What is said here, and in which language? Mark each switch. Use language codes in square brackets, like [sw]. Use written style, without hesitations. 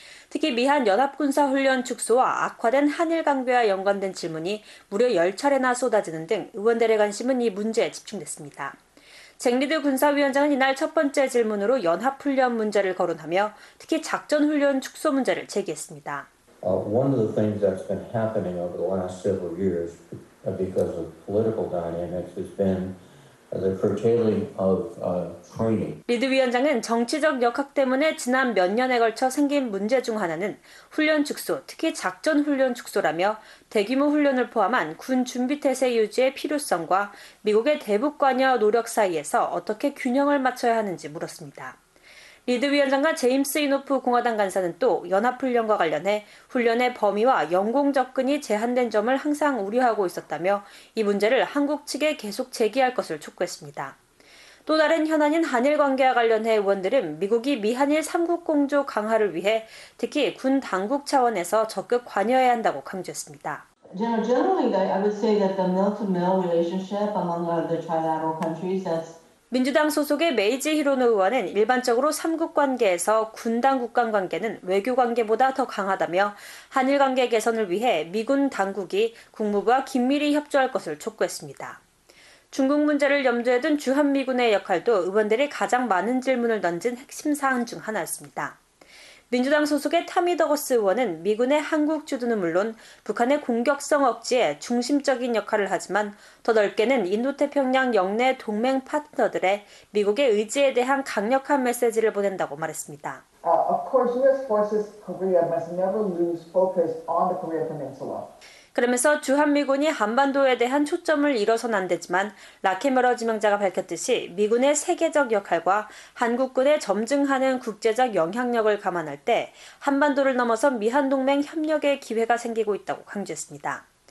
[ko] 특히 미한 연합군사훈련 축소와 악화된 한일 관계와 연관된 질문이 무려 10차례나 쏟아지는 등 의원들의 관심은 이 문제에 집중됐습니다. 잭리드 군사위원장은 이날 첫 번째 질문으로 연합훈련 문제를 거론하며 특히 작전훈련 축소 문제를 제기했습니다. [en] One of the things that's been happening over the last several years because of political dynamics has been the curtailing of training. [ko] 리드 위원장은 정치적 역학 때문에 지난 몇 년에 걸쳐 생긴 문제 중 하나는 훈련 축소, 특히 작전훈련 축소라며 대규모 훈련을 포함한 군 준비태세 유지의 필요성과 미국의 대북 관여 노력 사이에서 어떻게 균형을 맞춰야 하는지 물었습니다. 리드 위원장과 제임스 이노프 공화당 간사는 또 연합훈련과 관련해 훈련의 범위와 영공 접근이 제한된 점을 항상 우려하고 있었다며 이 문제를 한국 측에 계속 제기할 것을 촉구했습니다. 또 다른 현안인 한일 관계와 관련해 의원들은 미국이 미한일 3국 공조 강화를 위해 특히 군 당국 차원에서 적극 관여해야 한다고 강조했습니다. [en] Generally, I would say that the mill-to-mill relationship among the trilateral countries that's [ko] 민주당 소속의 메이지 히로노 의원은 일반적으로 3국 관계에서 군 당국 간 관계는 외교 관계보다 더 강하다며 한일 관계 개선을 위해 미군 당국이 국무부와 긴밀히 협조할 것을 촉구했습니다. 중국 문제를 염두에 둔 주한미군의 역할도 의원들이 가장 많은 질문을 던진 핵심 사안 중 하나였습니다. 민주당 소속의 타미 더거스 의원은 미군의 한국 주둔은 물론 북한의 공격성 억제에 중심적인 역할을 하지만 더 넓게는 인도태평양 역내 동맹 파트너들의 미국의 의지에 대한 강력한 메시지를 보낸다고 말했습니다. [en] Of course, U.S. forces Korea must never lose focus on the Korea Peninsula. [ko] 그러면서 주한미군이 한반도에 대한 초점을 잃어선 안 되지만 라케메러 지명자가 밝혔듯이 미군의 세계적 역할과 한국군의 점증하는 국제적 영향력을 감안할 때 한반도를 넘어서 미한동맹 협력의 기회가 생기고 있다고 강조했습니다.